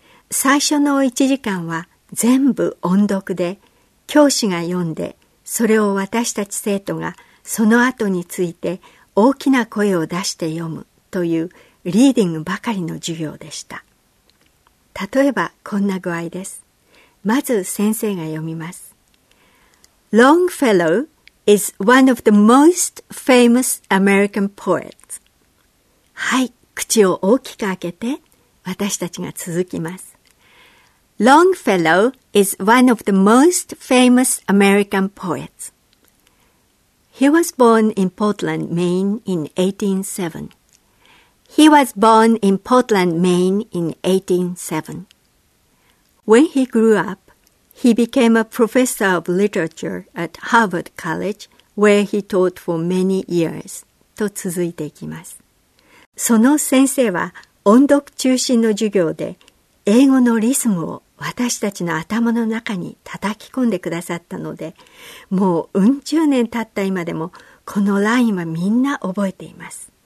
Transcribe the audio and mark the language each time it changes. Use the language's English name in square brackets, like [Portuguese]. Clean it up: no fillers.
[Japanese] 最初の1時間は全部音読で、教師が読んで、それを私たち生徒がその後について大きな声を出して読むというリーディングばかりの授業でした。例えばこんな具合です。まず先生が読みます。 [English] Longfellow is one of the most famous American poets. [Japanese] はい、口を大きく開けて、私たちが続きます。 [English] Longfellow is one of the most famous American poets. He was born in Portland, Maine in 1807. He was born in Portland, Maine in 1807. When he grew up, He became a professor of literature at Harvard College, where he taught for many years. [Japanese] と続いていきます。その先生は音読中心の授業で英語のリズムを私たちの頭の中に叩き込んでくださったので、もう十年経った今でもこのラインはみんな覚えています。